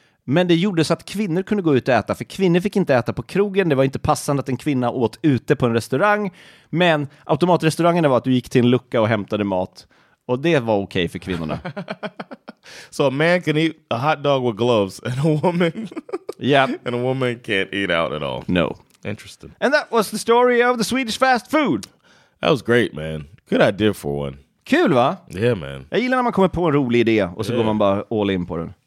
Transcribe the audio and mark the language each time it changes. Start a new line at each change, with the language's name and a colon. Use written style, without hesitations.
Swedish: Men det gjorde så att kvinnor kunde gå ut och äta. För kvinnor fick inte äta på krogen. Det var inte passande att en kvinna åt ute på en restaurang. Men automatrestaurangerna var att du gick till en lucka och hämtade mat. Och det var okej för kvinnorna.
English: So a man can eat a hot dog with gloves and a woman and a woman can't eat out at all. No. Interesting. And that was the story of the Swedish fast food. That was great, man. Good idea for one.
Swedish: Kul, va?
English: Yeah, man.
Swedish: Jag gillar när man kommer på en rolig idé och så går man bara all in på den.